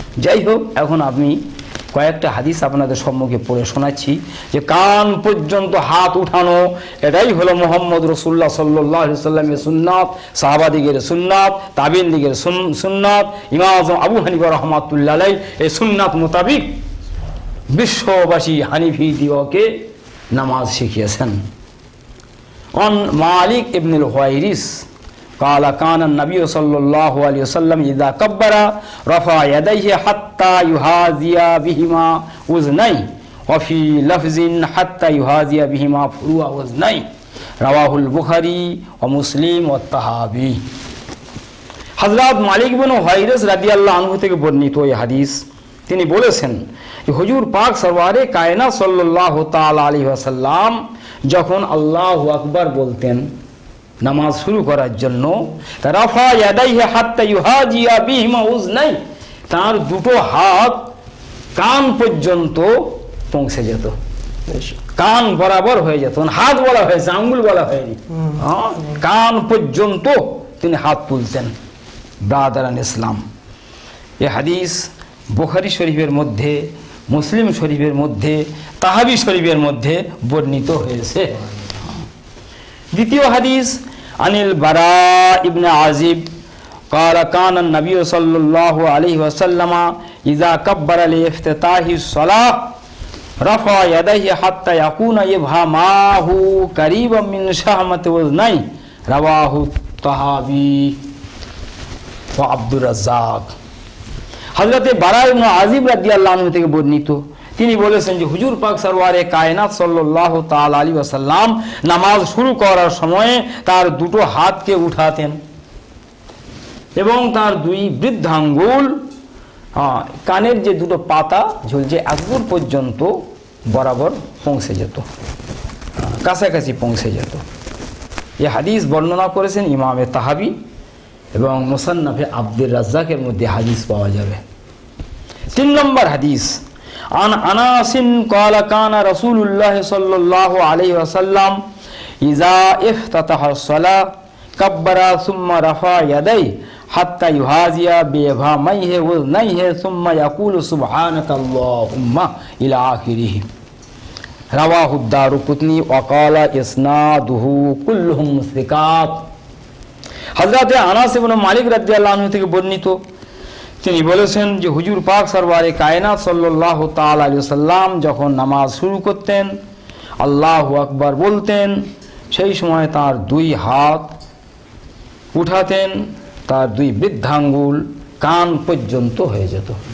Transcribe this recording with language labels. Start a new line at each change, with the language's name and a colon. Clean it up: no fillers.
Bangla: যাই হোক, এখন আমি কয়েকটা হাদিস আপনাদের সম্মুখে পড়ে শোনাচ্ছি যে কান পর্যন্ত হাত উঠানো এটাই হলো মুহাম্মদ রাসূলুল্লাহ সাল্লাল্লাহু আলাইহি সাল্লামের সুন্নাত, সাহাবাদিগের সুন্নাত, তাবেয়িন দিগের সুন্নাত, ইমাম আযম আবু হানিফা রাহমাতুল্লাহ আলাইহি এই সুন্নাত মোতাবিক বিশ্ববাসী হানিফি দিগকে নামাজ শিখিয়েছেন। অন মালিক ইবনুল হুয়াইরিস
Arabic: قال كان النبي صلى الله عليه وسلم اذا كبر رفع يديه حتى يحاذي بهما اذنيه وفي لفظ حتى يحاذي بهما فروع اذنيه رواه البخاري ومسلم والطحاوي حضرات مالك بن হুয়াইরিস رضی اللہ عنہ
Bangla: থেকে বর্ণিত এই হাদিস। তিনি বলেছেন যে হুজুর পাক সরওয়ারে কায়না সাল্লাল্লাহু তাআলা আলাইহি ওয়াসাল্লাম যখন আল্লাহু আকবার বলতেন নামাজ শুরু করার জন্য,
Arabic: রাফা ইয়াদাইহি হাত্তা ইউহাজিয়া বিহিমা উযনাই,
Bangla: তার দুটো হাত কান পর্যন্ত পৌঁছে যেত, কান বরাবর হয়ে যেত, হাত বলা হয়েছে, আঙ্গুল বলা হয়নি, কান পর্যন্ত তিনি হাত তুলতেন। ব্রাদারান ইসলাম, এ হাদিস বুখারী শরীফের মধ্যে, মুসলিম শরীফের মধ্যে, তাহাবি শরীফের মধ্যে বর্ণিত হয়েছে। দ্বিতীয় হাদিস, আনিল বারা ইবনে আজিব
Arabic: قال كان النبي صلى الله عليه وسلم اذا كبر لافتتاح الصلاه رفع يديه حتى يكون ابهامه قريبا من شهمت اذنيه رواه الطحاوي وعبد الرزاق حضرت বারা ইবনে আজিব رضی اللہ عنہ
Bangla: থেকে বর্ণিত। তিনি বলেছেন যে হুজুর পাক সরওয়ারে কায়নাত সাল্লাল্লাহু তাআলা আলাইহি ওয়াসাল্লাম নামাজ শুরু করার সময় তার দুটো হাতকে উঠাতেন এবং তার দুই বৃদ্ধাঙ্গুল কানের যে দুটো পাতা ঝুলছে আঙ্গুল পর্যন্ত বরাবর পৌঁছে যেত, কাছাকাছি পৌঁছে যেত। এ হাদিস বর্ণনা করেছেন ইমামে তাহাবি এবং মুসান্নাফে আব্দুর রাজ্জাকের মধ্যে হাদিস পাওয়া যাবে। তিন নম্বর হাদিস,
Arabic: عن أناس قال كان رسول الله صلى الله عليه وسلم إذا افتتح الصلاة كبر ثم رفع يديه حتى يحاذي بإبهاميه وإذنيه ثم يقول سبحانك اللهم إلى آخره رواه الدارقطني وقال إسناده كلهم ثقات حضرت أناس بن مالك رضي الله عنه
Bangla: থেকে বর্ণিত। তিনি বলেছেন যে হুজুর পাক সরওয়ারে কায়নাত সাল্লাল্লাহু তাআলা আলাইহি সাল্লাম যখন নামাজ শুরু করতেন, আল্লাহু আকবার বলতেন, সেই সময় তার দুই হাত উঠাতেন, তার দুই বৃদ্ধাঙ্গুল কান পর্যন্ত হয়ে যেত।